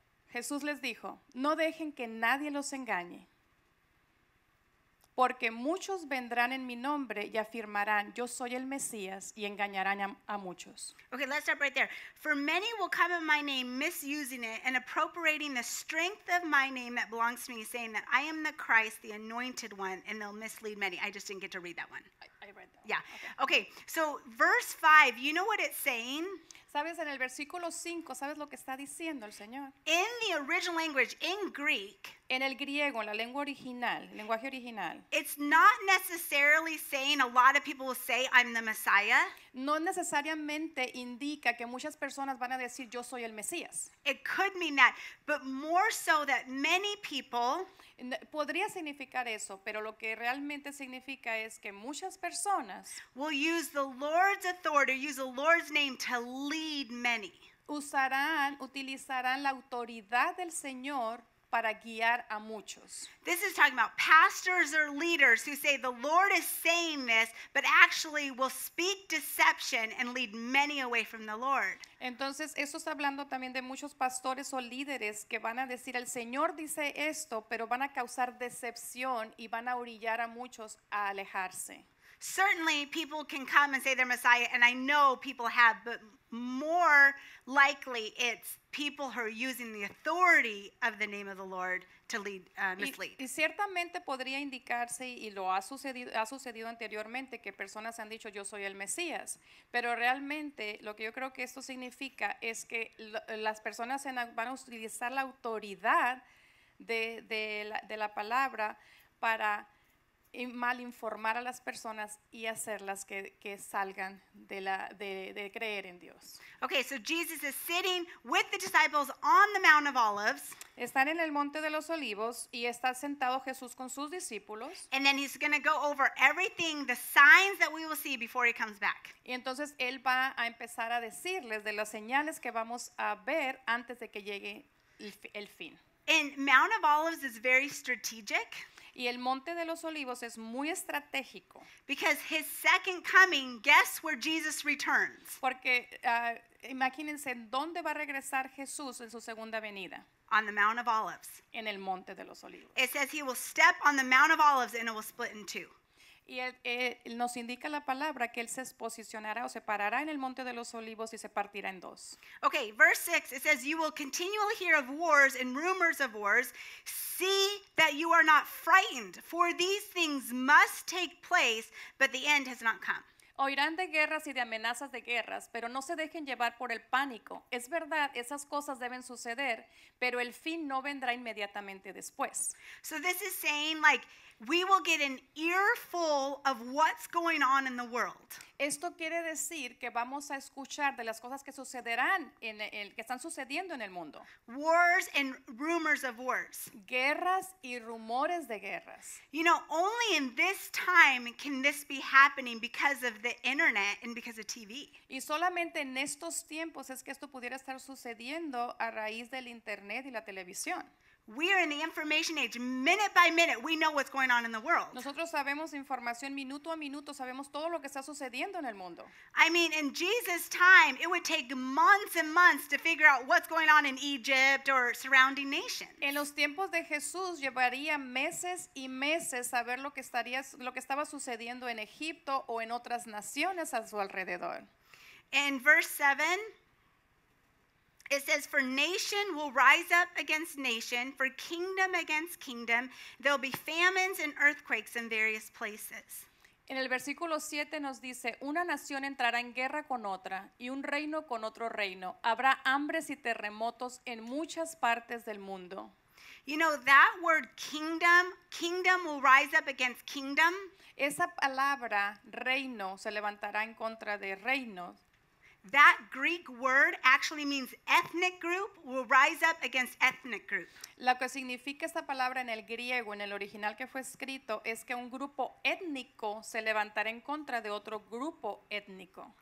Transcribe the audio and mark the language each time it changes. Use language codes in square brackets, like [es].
[es] Jesús les dijo, "No dejen que nadie los engañe, porque muchos vendrán en mi nombre y afirmarán, 'Yo soy el Mesías,' y engañarán a muchos." [en] Okay, let's stop right there. "For many will come in my name, misusing it and appropriating the strength of my name that belongs to me, saying that I am the Christ, the anointed one, and they'll mislead many." I just didn't get to read that one. I read that one. Yeah. Okay, so verse 5, you know what it's saying? [es] ¿Sabes en el versículo 5, sabes lo que está diciendo el Señor? [en] In the original language, in Greek. [es] En el griego, en la lengua original, lenguaje original. [en] It's not necessarily saying, a lot of people will say, "I'm the Messiah." [es] no necesariamente indica que muchas personas van a decir yo soy el Mesías. [en] It could mean that, but more so that many people. [es] Podría significar eso, pero lo que realmente significa es que muchas personas [en] will use the Lord's authority, use the Lord's name to lead many. [es] Utilizarán la autoridad del Señor para guiar a muchos. [en] This is talking about pastors or leaders who say the Lord is saying this, but actually will speak deception and lead many away from the Lord. [es] Entonces, eso está hablando también de muchos pastores o líderes que van a decir el Señor dice esto, pero van a causar decepción y van a orillar a muchos a alejarse. [en] Certainly, people can come and say they're Messiah, and I know people have, but more likely it's people who are using the authority of the name of the Lord to lead, mislead. [es] Y ciertamente podría indicarse, y lo ha sucedido anteriormente, que personas han dicho yo soy el Mesías, pero realmente lo que yo creo que esto significa es que las personas van a utilizar la autoridad de la palabra para y mal informar a las personas y hacerlas que salgan de creer en Dios. [en] Okay, so Jesus is sitting with the disciples on the Mount of Olives. [es] Están en el Monte de los Olivos y está sentado Jesús con sus discípulos. [en] And then he's going to go over everything, the signs that we will see before he comes back. [es] Y entonces él va a empezar a decirles de las señales que vamos a ver antes de que llegue el fin. [en] And Mount of Olives is very strategic. [es] Y el Monte de los Olivos es muy estratégico. [en] Because his second coming, guess where Jesus returns? [es] Porque imagínense, ¿dónde va a regresar Jesús en su segunda venida? [en] On the Mount of Olives. [es] En el Monte de los Olivos. [en] It says he will step on the Mount of Olives and it will split in two. [es] Y nos indica la palabra que él se posicionará o se parará en el Monte de los Olivos y se partirá en dos. [en] Okay, verse 6, it says, you will continually hear of wars and rumors of wars. See that you are not frightened, for these things must take place, but the end has not come. [es] Oirán de guerras y de amenazas de guerras, pero no se dejen llevar por el pánico. Es verdad, esas cosas deben suceder, pero el fin no vendrá inmediatamente después. [en] So this is saying, like, we will get an earful of what's going on in the world. [es] Esto quiere decir que vamos a escuchar de las cosas que sucederán en el que están sucediendo en el mundo. [en] Wars and rumors of wars. [es] Guerras y rumores de guerras. [en] You know, only in this time can this be happening because of the internet and because of TV. [es] Y solamente en estos tiempos es que esto pudiera estar sucediendo a raíz del internet y la televisión. [en] We are in the information age. Minute by minute, we know what's going on in the world. [es] Nosotros sabemos información minuto a minuto, sabemos todo lo que está sucediendo en el mundo. [en] I mean, in Jesus' time, it would take months and months to figure out what's going on in Egypt or surrounding nations. [es] En los tiempos de Jesús, llevaría meses y meses saber lo que estaba sucediendo en Egipto o en otras naciones a su alrededor. [en] In verse 7, it says, for nation will rise up against nation, for kingdom against kingdom. There'll be famines and earthquakes in various places. [es] En el versículo 7 nos dice, una nación entrará en guerra con otra y un reino con otro reino. Habrá hambres y terremotos en muchas partes del mundo. [en] You know, that word kingdom, kingdom will rise up against kingdom. [es] Esa palabra, reino, se levantará en contra de reinos. [en] That Greek word actually means ethnic group will rise up against ethnic group. [es] Lo que significa esta palabra en el griego, en el original que fue escrito, es que un grupo étnico se levantará en contra de otro grupo étnico.